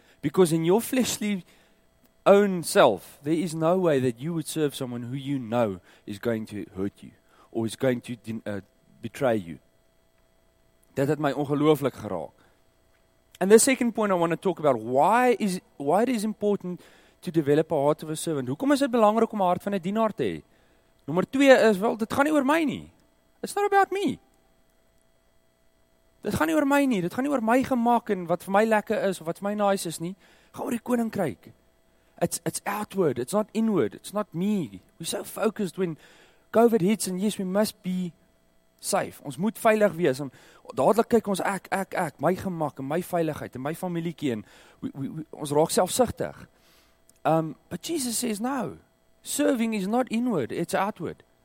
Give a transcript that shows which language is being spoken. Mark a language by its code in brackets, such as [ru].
[en] Because in your fleshly own self, there is no way that you would serve someone who you know is going to hurt you or is going to betray you. [af] Dat het my ongelooflik geraak. [en] And the second point I want to talk about, why it is important to develop a heart of a servant. [af] Hoekom is dit belangrik om 'n hart van 'n dienaar te hê? Nommer 2 is, wel, dit gaan nie oor my nie. [en] It's not about me. [af] Dit gaan nie oor my nie. Dit gaan nie oor my gemaak en wat vir my lekker is of wat vir my nice is nie. Gaan oor die koninkryk. [en] It's outward. It's not inward. It's not me. We're so focused when COVID hits and yes, we must be safe. [af] Ons moet veilig wees. En dadelik kyk ons ek, my gemak en my veiligheid en my familietjie en ons raak selfsugtig. [en] But Jesus says, no, serving is not inward, it's outward.